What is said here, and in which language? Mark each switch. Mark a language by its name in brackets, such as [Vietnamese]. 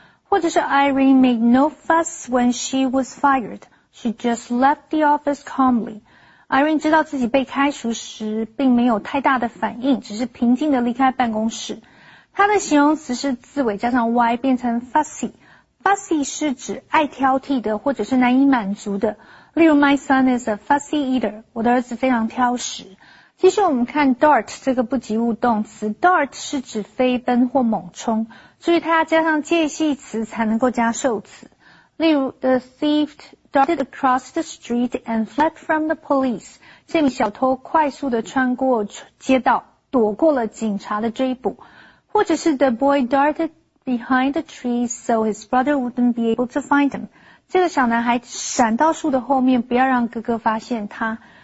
[Chinese] 或者是 [English] Irene made no fuss when she was fired. She just left the office calmly. [Chinese] Irene 知道自己被开除时并没有太大的反应，只是平静地离开办公室。她的形容词是字尾加上 y 变成 fussy。 Fussy 是指爱挑剔的或者是难以满足的。例如 [English] My son is a fussy eater. [Chinese] 我的儿子非常挑食。其实我们看 dart 这个不及物动词。dart 是指飞奔或猛冲。注意它要加上介系词才能够加受词。例如 [English] The thief darted across the street and fled from the police. [Chinese] 这名小偷快速地穿过街道躲过了警察的追捕。或者是 [English] The boy dartedBehind the trees so his brother wouldn't be able to find him. [Chinese] 这个小男孩闪到树的后面不要让哥哥发现他。